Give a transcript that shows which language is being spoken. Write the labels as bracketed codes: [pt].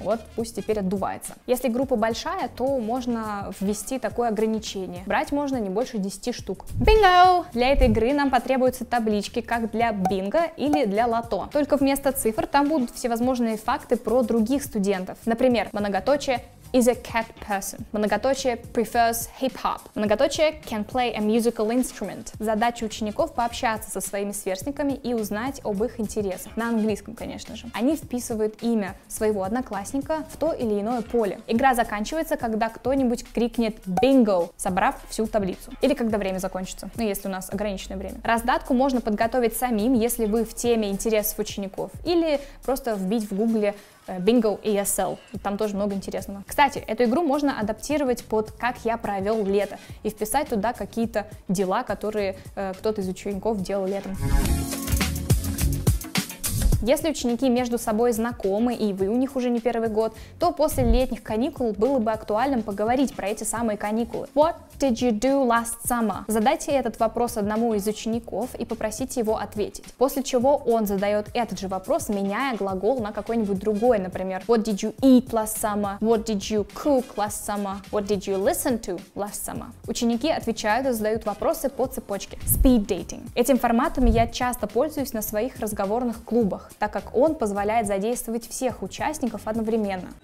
[ru] Вот пусть теперь отдувается. Если группа большая, то можно ввести такое ограничение. Брать можно не больше 10 штук. Бинго! Для этой игры нам потребуются таблички, как для бинго или для лото. Только вместо цифр там будут всевозможные факты про других студентов. Например, многоточие [en] is a cat person. Многоточие prefers hip-hop. Многоточие can play a musical instrument. [ru] Задача учеников пообщаться со своими сверстниками и узнать об их интересах. На английском, конечно же. Они вписывают имя своего одноклассника в то или иное поле. Игра заканчивается, когда кто-нибудь крикнет bingo, собрав всю таблицу. Или когда время закончится. Ну, если у нас ограниченное время. Раздатку можно подготовить самим, если вы в теме интересов учеников. Или просто вбить в гугле Bingo ESL. Там тоже много интересного. Кстати, эту игру можно адаптировать под «Как я провел лето» и вписать туда какие-то дела, которые кто-то из учеников делал летом. Если ученики между собой знакомы и вы у них уже не первый год, то после летних каникул было бы актуальным поговорить про эти самые каникулы. [en] What did you do last summer? [ru] Задайте этот вопрос одному из учеников и попросите его ответить. После чего он задает этот же вопрос, меняя глагол на какой-нибудь другой, например. [en] What did you eat last summer? What did you cook last summer? What did you listen to last summer? [ru] Ученики отвечают и задают вопросы по цепочке. [en] Speed dating. [ru] Этим форматом я часто пользуюсь на своих разговорных клубах, так как он позволяет задействовать всех участников одновременно.